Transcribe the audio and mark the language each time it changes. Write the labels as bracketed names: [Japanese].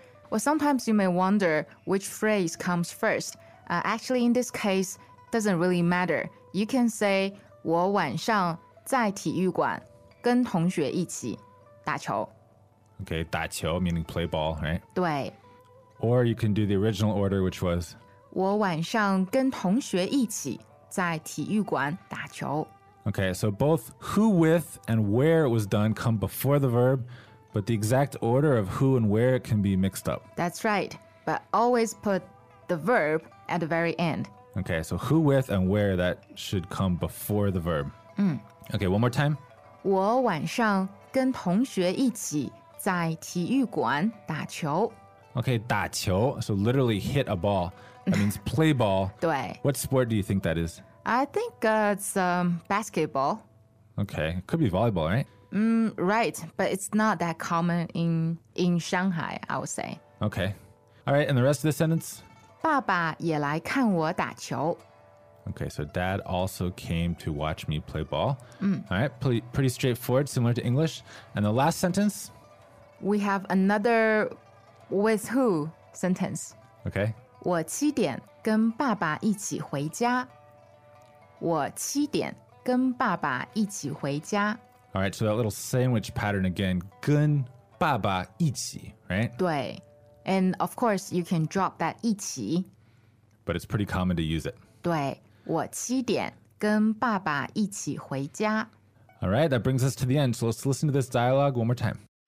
[English] Well, sometimes you may wonder which phrase comes first. Actually, in this case, doesn't really matter. You can say [Chinese] 我晚上在体育馆跟同学一起打球. [English] Okay, 打球 meaning play ball, right? [Chinese] 对. [English] Or you can do the original order, which was [Chinese] 我晚上跟同学一起在体育馆打球. [English] Okay, so both who with and where it was done come before the verb, but the exact order of who and where it can be mixed up. That's right, but always put the verb at the very end. Okay, so who with and where, that should come before the verb. Okay, one more time. [Chinese] 我晚上跟同学一起在体育馆打球。 [English] Okay, 打球, so literally hit a ball. That means play ball. [Chinese] 对。 [English] What sport do you think that is? I think it's basketball. Okay, it could be volleyball, right? Right, but it's not that common in Shanghai, I would say. Okay. All right, and the rest of the sentence? [Chinese] 爸爸也来看我打球。 [English] Okay, so dad also came to watch me play ball. All right, pretty straightforward, similar to English. And the last sentence? We have another with who sentence. Okay. [Chinese] 我七点跟爸爸一起回家。我七点跟爸爸一起回家。 [English] All right, so that little sandwich pattern again, [Chinese] 跟爸爸一起, [English] right? [Chinese] 对, [English] and of course, you can drop that 一起. But it's pretty common to use it. [Chinese] 对, 我七点跟爸爸一起回家。 [English] All right, that brings us to the end, so let's listen to this dialogue one more time.